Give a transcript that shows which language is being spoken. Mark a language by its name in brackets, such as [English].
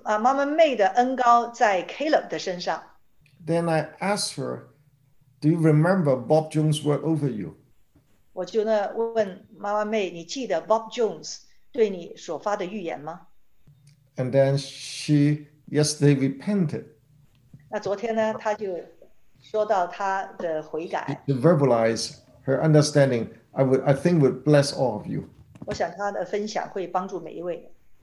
[Chinese] 妈妈妹的恩膏在Caleb的身上。 [English] Then I asked her, do you remember Bob Jones word over you? [Chinese] 我就问妈妈妹,你记得Bob Jones对你所发的预言吗? [English] And then she, yes, they repented. [Chinese] 那昨天呢,她就说到她的悔改。 [English] She verbalized her understanding, I think would bless all of you. [Chinese] 我想她的分享会帮助每一位。